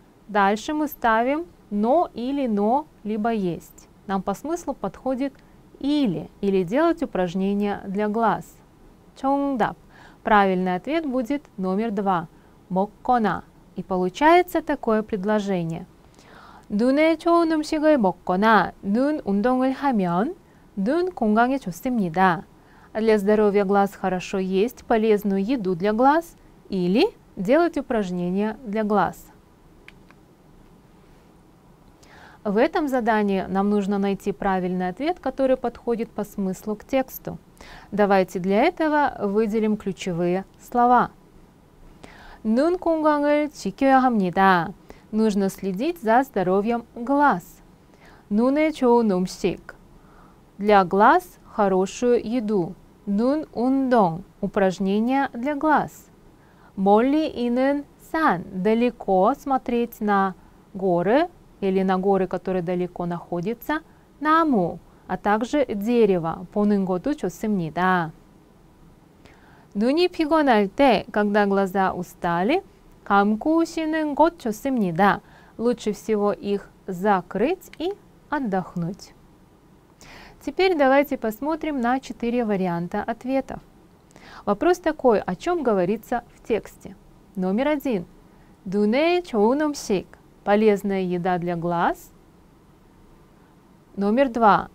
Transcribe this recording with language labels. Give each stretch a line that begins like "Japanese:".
Russian: Дальше мы ставим но или но, либо есть. Нам по смыслу подходит или, или делать упражнения для глаз. 정답. Правильный ответ будет номер 2.
Korean: 먹거나
Russian: и получается такое предложение.
Korean: 눈에 좋은 음식을 먹거나 눈 운동을 하면 눈 건강에 좋습니다.
Russian: Для здоровья глаз хорошо есть полезную еду для глаз или делать упражнения для глаз. В этом задании нам нужно найти правильный ответ, который подходит по смыслу к тексту. Давайте для этого выделим ключевые слова.
Korean: 눈 건강을 지켜야 합니다.
Russian: Нужно следить за здоровьем глаз.
Korean: 눈에 좋은 음식.
Russian: Для глаз хорошую еду.
Korean: 눈 운동.
Russian: Упражнения для глаз.
Korean: 멀리 있는 산.
Russian: Далеко смотреть на горы или на горы, которые далеко находятся.
Korean: 나무.
Russian: А также дерево.
Korean: 보는 것도 좋습니다. 눈이 피곤할 때,
Russian: когда глаза устали,
Korean: 감고 쉬는 것 좋습니다.
Russian: Лучше всего их закрыть и отдохнуть. Теперь давайте посмотрим на 4 варианта ответов. Вопрос такой, о чем говорится в тексте. Номер 1.
Korean: 눈에 좋은 음식.
Russian: Полезная еда для глаз. Номер 2.